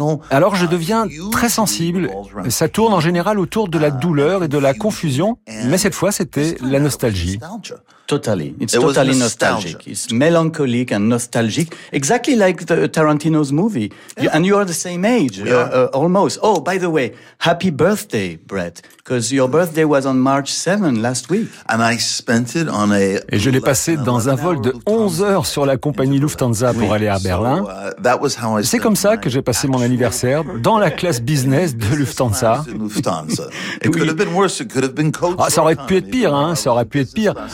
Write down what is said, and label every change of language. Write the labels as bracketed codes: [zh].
[fr] Alors je deviens très sensible. Ça tourne en général autour de la douleur et de la confusion, mais cette fois c'était la nostalgie. [en] Totally, it's totally nostalgic. It's melancholic and nostalgic, exactly like the Tarantino's movie. And you are the same age, almost. Oh, by the way, happy birthday, Brett, because your birthday was on March 7 last week. And I spent it on a. [fr] Et je l'ai passé dans un vol de 11 heures sur la compagnie Lufthansa pour aller à Berlin. [en] That was how I. [fr] C'est comme ça que j'ai passé mon anniversaire dans la classe business de Lufthansa. [en] It could have been worse. It could have been coach. [fr] Ça aurait pu être pire, hein. Ça aurait pu être pire.